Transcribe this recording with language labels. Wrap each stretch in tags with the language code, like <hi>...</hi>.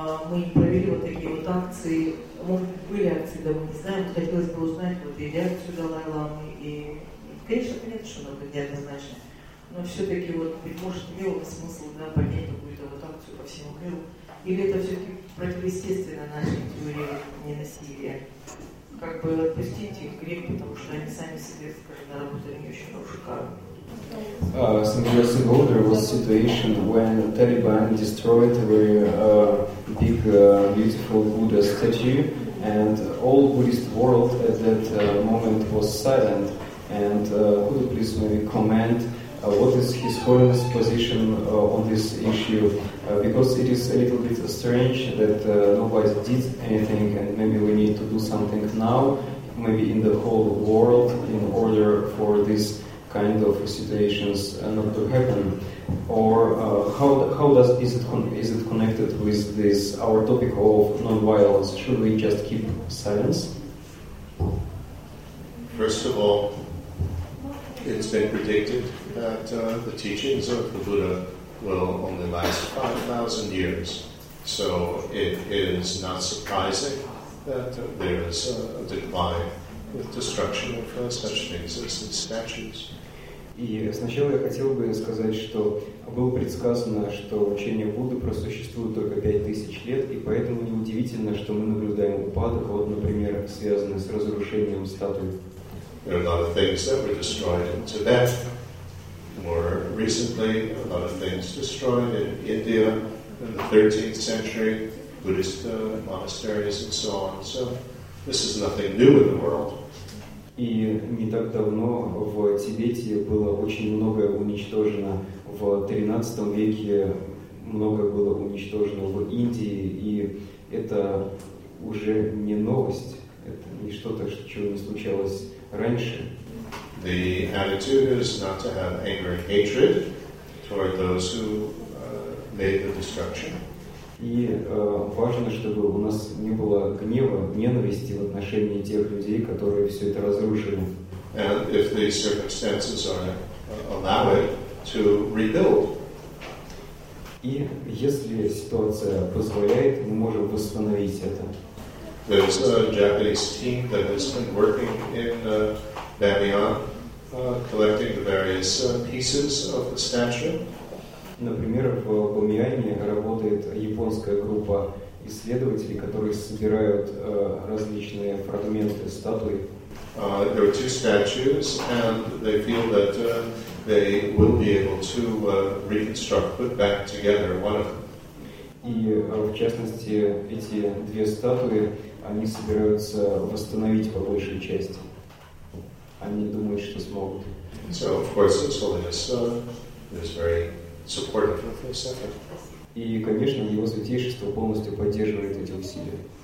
<ru>Мы не провели вот такие вот акции, может быть, были акции, да мы не знаем, но хотелось бы узнать вот и реакцию Далай-ламы, и, конечно, понятно, что надо неоднозначно, но все-таки вот, ведь, может, имело бы смысл, да, поднять какую-то вот акцию по всему миру, или это все-таки противоестественно нашей теории ненасилия, как бы отпустить их грех, потому что они сами себе, скажем, наработали не очень хорошую карму.</ru> <en>Some years ago, there was a situation when the Taliban destroyed a very big, beautiful Buddha statue, and all Buddhist world at that moment was silent. And could you please maybe comment what is His Holiness position on this issue? Because it is a little bit strange that nobody did anything, and maybe we need to do something now, maybe in the whole world, in order for this kind of situations not to happen, or how is it connected with this our topic of non-violence? Should we just keep silence? First of all, it's been predicted that the teachings of the Buddha will only last 5,000 years, so it is not surprising that there is a decline with destruction of such things as the statues.</en> <ru>И сначала я хотел бы сказать, что было предсказано, что учение Будды просуществует только 5000 лет, и поэтому неудивительно, что мы наблюдаем упадок, вот, например, связанный с разрушением статуи.</ru> <en>There are a lot of things that were destroyed in Tibet. More recently, a lot of things destroyed in India in the 13th century, Buddhist monasteries and so on. So this is nothing new in the world.</en> <ru>И не так давно в Тибете было очень многое уничтожено. В 13 веке многое было уничтожено в Индии. И это уже не новость. Это не что-то, чего не случалось раньше.</ru> <en>The attitude is not to have anger and hatred toward those who made the destruction.</en> <ru>И важно, чтобы у нас не было гнева, ненависти в отношении тех людей, которые все это разрушили.</ru> <en>And if the circumstances are allowed to rebuild.</en> <ru>И если ситуация позволяет, мы можем восстановить это.</ru> <en>There's a Japanese team that has been working in Bamiyan, collecting the various pieces of the statue.</en> <ru>Например, в Бамияне работает японская группа исследователей, которые собирают различные фрагменты статуи.</ru> <en>There are two statues, and they feel that they will be able to reconstruct, put back together one of them.</en> <ru>И в частности, эти две статуи, они собираются восстановить по большей части. Они думают, что смогут.</ru> <en>So, of course, His Holiness is very supportive of this effort.</en> <ru>И, конечно, Его Святейшество полностью поддерживает эти усилия.</ru>